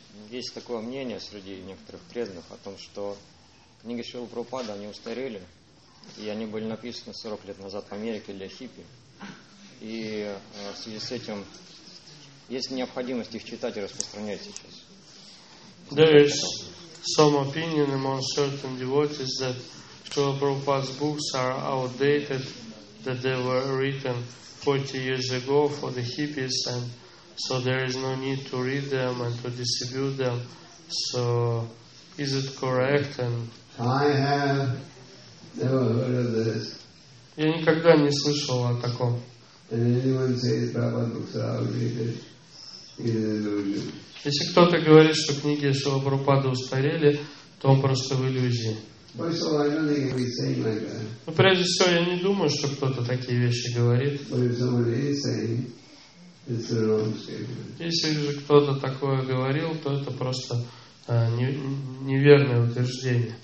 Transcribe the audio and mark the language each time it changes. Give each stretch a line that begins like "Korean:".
Russian: Есть такое мнение среди некоторых преданных о том, что книги Шрилы Прабхупады, они устарели, и они были написаны 40 лет назад в Америке для хиппи. И в связи с этим... Есть необходимость их читать и распространять сейчас.
English: There is some opinion among certain devotees that Srila Prabhupada's books are outdated, that they were written 40 years ago for the hippies, and so there is no need to read them and to distribute them. So, is it correct? And I have never heard of this.
Russian: Я никогда не слышал о таком.
English: Did anyone say that Prabhupada's books are outdated?
Russian: Если кто-то говорит, что книги Шрилы Прабхупады устарели, то он просто в иллюзии. Но прежде всего, я не думаю, что кто-то такие вещи говорит. Если же кто-то такое говорил, то это просто неверное утверждение.